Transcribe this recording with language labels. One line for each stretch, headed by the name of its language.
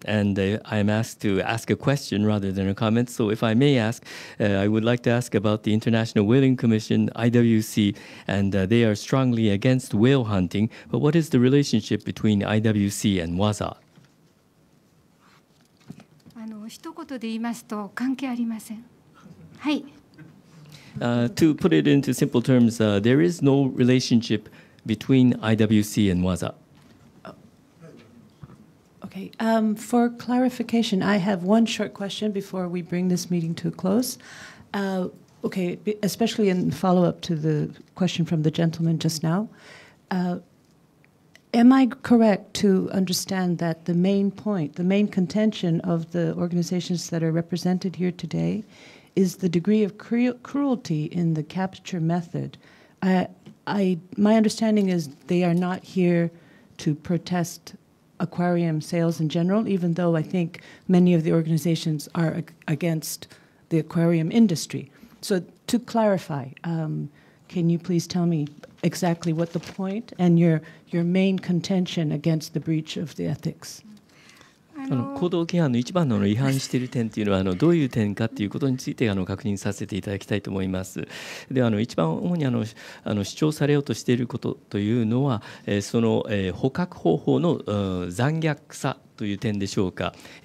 English: And I am asked to ask a question rather than a comment. So if I may ask, I would like to ask about the International Whaling Commission, IWC, and they are strongly against whale hunting. But what is the relationship between IWC and WASA?
Japanese: 一言で言いますと関係ありません。はい。
English: To put it into simple terms, there is no relationship between IWC and WASA. Okay. For clarification, I have one short question before we bring this meeting to a close. Okay, especially in follow-up to the question from the gentleman just now. Am I correct to understand that the main point, the main contention of the organizations that are represented here today is the degree of cruelty in the capture method? My understanding is they are not here to protest aquarium sales in general, even though I think many of the organizations are against the aquarium industry. So to clarify, can you please tell me exactly what the point and your main contention against the breach of the ethics?
Japanese: 行動規範の一番の違反している点というのはどういう点かということについて確認させていただきたいと思います。では一番主に主張されようとしていることというのは、その捕獲方法の残虐さという点でしょうか。